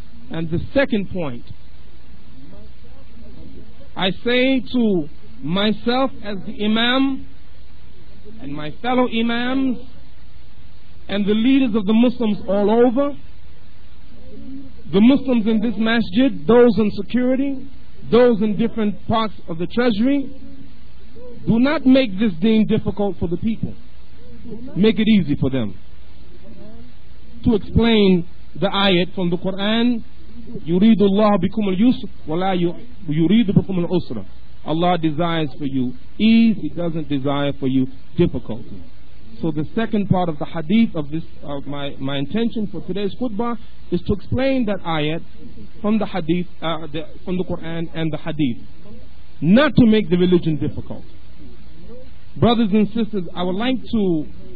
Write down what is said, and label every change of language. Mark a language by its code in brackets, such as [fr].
[en] And the second point, I say to myself as the imam and my fellow imams and the leaders of the Muslims all over, the Muslims in this masjid, those in security, those in different parts of the treasury, do not make this deen difficult for the people. Make it easy for them. To explain the ayat from the Quran, [ar] يُرِيدُ اللَّهُ بِكُمُ الْيُسْرَ وَلَا يُرِيدُ بِكُمُ الْعُسْرَ. [en] Allah desires for you ease, He doesn't desire for you difficulty. So the second part of the hadith of this, of my intention for today's khutbah is to explain that ayat from the hadith, from the Quran and the hadith, not to make the religion difficult. Brothers and sisters, I would like to